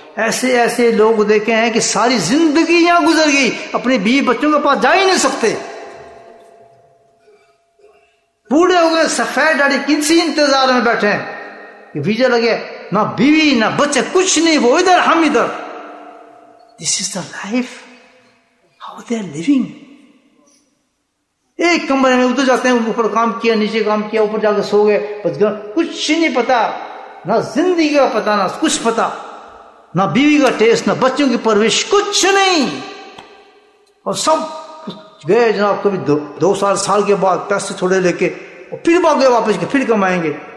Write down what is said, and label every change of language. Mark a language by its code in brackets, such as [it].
[ur] ایسے ایسے لوگ دیکھے ہیں کہ ساری زندگی یہاں گزر گئی, اپنے بیوی بچوں کے پاس جا ہی نہیں سکتے, بوڑھے ہو گئے, سفید داڑھی, کسی انتظار میں بیٹھے ہیں کہ ویزا لگے, نہ بیوی نہ بچے, کچھ نہیں, وہ ادھر ہم ادھر. [en] This is the life, how they are living. [ur] ایک کمرے میں اتر جاتے ہیں, اوپر کام کیا, نیچے کام کیا, اوپر جا کے سو گئے, بچ گئے, کچھ نہیں پتا, نہ زندگی کا پتا, نہ کچھ پتا, نہ بیوی کا ٹیسٹ, نہ بچوں کی پرورش, کچھ نہیں. اور سب گئے جناب, کبھی دو سال سال کے بعد پیسے تھوڑے لے کے اور پھر باغ گئے واپس کے پھر کمائیں گے.